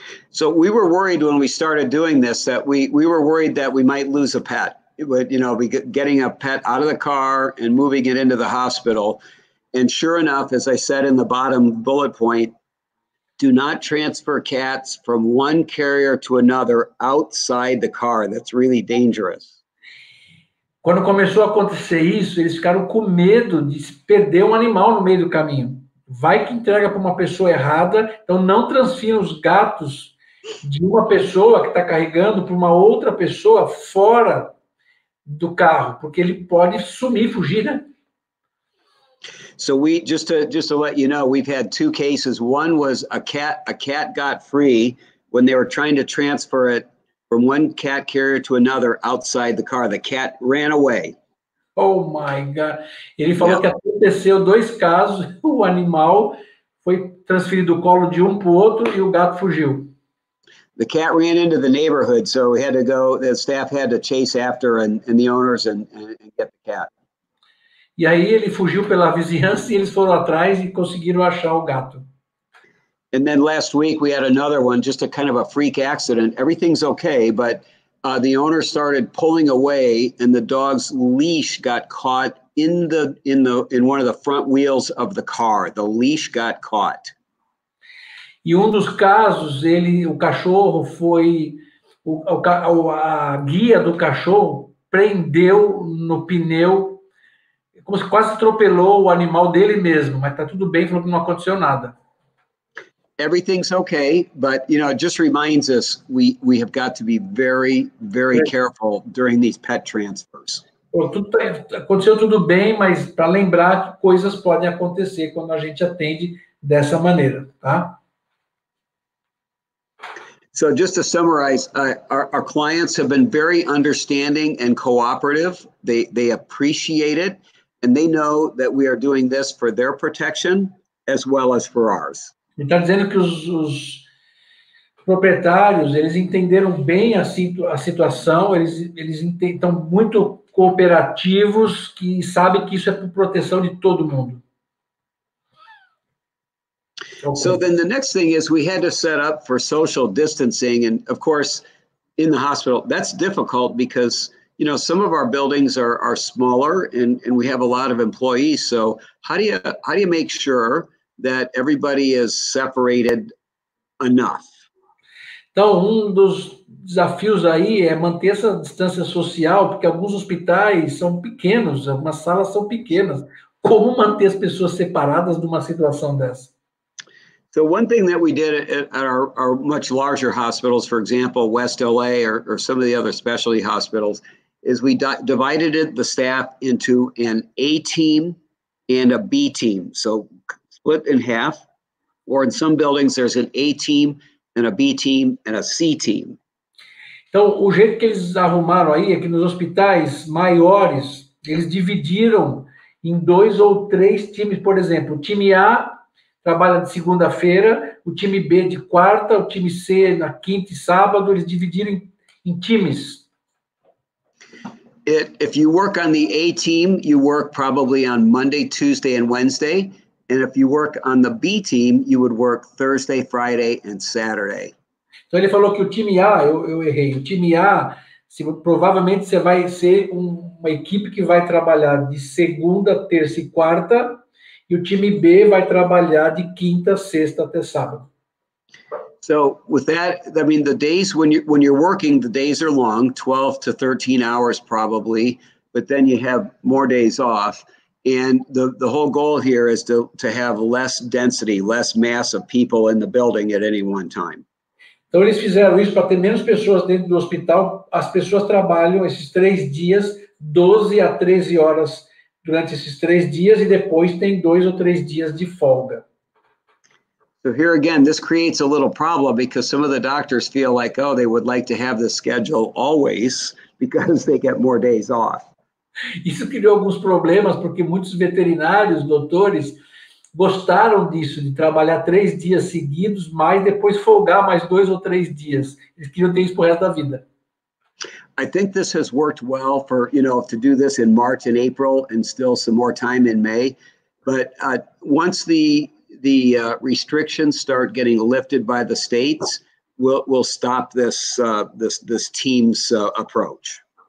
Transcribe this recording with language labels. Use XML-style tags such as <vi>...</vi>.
<en>So we were worried when we started doing this that we were worried that we might lose a pet. It would, you know, be getting a pet out of the car and moving it into the hospital. And sure enough, as I said in the bottom bullet point, do not transfer cats from one carrier to another outside the car. That's really dangerous.</en> <pt>Quando começou a acontecer isso, eles ficaram com medo de perder um animal no meio do caminho. Vai que entrega para uma pessoa errada, então não transfira os gatos de uma pessoa que está carregando para uma outra pessoa fora do carro, porque ele pode sumir, fugir, né?</pt> <en>So we just to let you know, we've had two cases. One was a cat got free when they were trying to transfer it from one cat carrier to another outside the car. The cat ran away. Oh my God.</en> <pt>Ele falou que aconteceu dois casos, o animal foi transferido do colo de um para o outro e o gato fugiu.</pt> <en>The cat ran into the neighborhood, so we had to go, the staff had to chase after and the owners and get the cat.</en> <pt>E aí ele fugiu pela vizinhança e eles foram atrás e conseguiram achar o gato.</pt> <en>And then last week we had another one, just a kind of a freak accident. Everything's okay, but the owner started pulling away and the dog's leash got caught in one of the front wheels of the car. The leash got caught.</en> <pt>E um dos casos, a guia do cachorro prendeu no pneu, como se quase atropelou o animal dele mesmo, mas tá tudo bem, falou que não aconteceu nada.</pt> <en>Everything's okay, but you know, it just reminds us we have got to be very, very careful during these pet transfers.</en> <pt>Aconteceu tudo bem, mas para lembrar que coisas podem acontecer quando a gente atende dessa maneira, tá?</pt> <en>So just to summarize, our clients have been very understanding and cooperative. They appreciate it, and they know that we are doing this for their protection as well as for ours.</en> <pt>Ele está dizendo que os proprietários, eles entenderam bem a situação, eles estão muito cooperativos que sabem que isso é por proteção de todo mundo.</pt> <en>So then the next thing is we had to set up for social distancing, and of course in the hospital that's difficult because, you know, some of our buildings are smaller and we have a lot of employees. So how do you make sure that everybody is separated enough?</en> <pt>Então, um dos desafios aí é manter essa distância social, porque alguns hospitais são pequenos, algumas salas são pequenas. Como manter as pessoas separadas numa situação dessa?</pt> <en>So one thing that we did at our much larger hospitals, for example, West LA or some of the other specialty hospitals, is we divided the staff into an A team and a B team. So split in half, or in some buildings there's an A team and a B team and a C team.</en> <pt>Então, o jeito que eles arrumaram aí é que nos hospitais maiores, eles dividiram em dois ou três times, por exemplo, o time A trabalha de segunda-feira, o time B de quarta, o time C na quinta e sábado, eles dividiram em times.</pt> <en>If you work on the A team, you work probably on Monday, Tuesday and Wednesday, and if you work on the B team, you would work Thursday, Friday and Saturday.</en> <pt>Então ele falou que o time A, eu errei, o time A, se, provavelmente você vai ser uma equipe que vai trabalhar de segunda, terça e quarta, e o time B vai trabalhar de quinta, sexta até sábado.</pt> <en>So, with that, I mean, the days when you're working, the days are long, 12 to 13 hours probably, but then you have more days off, and the whole goal here is to have less density, less mass of people in the building at any one time.</en> <pt>Então, eles fizeram isso para ter menos pessoas dentro do hospital. As pessoas trabalham esses três dias, 12 a 13 horas durante esses três dias, e depois tem dois ou três dias de folga.</pt> <en>So here again, this creates a little problem because some of the doctors feel like, oh, they would like to have this schedule always because they get more days off.</en> <pt>Isso criou alguns problemas porque muitos veterinários, doutores, gostaram disso, de trabalhar três dias seguidos, mas depois folgar mais dois ou três dias. Eles queriam ter isso pro resto da vida.</pt> <en>I think this has worked well for, you know, to do this in March and April and still some more time in May. But once the restrictions start getting lifted by the states, we'll stop this team's approach.</en>